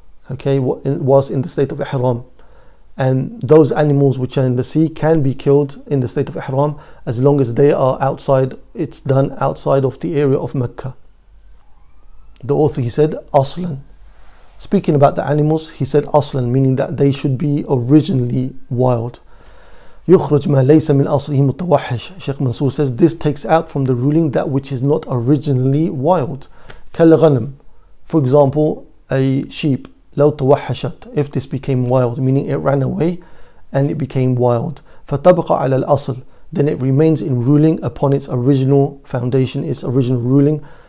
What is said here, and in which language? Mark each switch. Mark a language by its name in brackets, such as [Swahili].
[English] Okay, whilst in the state of ihram. And those animals which are in the sea can be killed in the state of ihram as long as they are outside, it's done outside of the area of Mecca. The author, he said, aslan. Speaking about the animals, he said aslan, meaning that they should be originally wild. [Arabic] يخرج ما ليس من أصله متوحش. [English] Sheikh Mansour says, this takes out from the ruling that which is not originally wild. كالغنم. For example, a sheep. [Arabic] لو توحشت, [English] if this became wild, meaning it ran away and it became wild. [Arabic] فتبقى على الأصل, [English] then it remains in ruling upon its original foundation, its original ruling.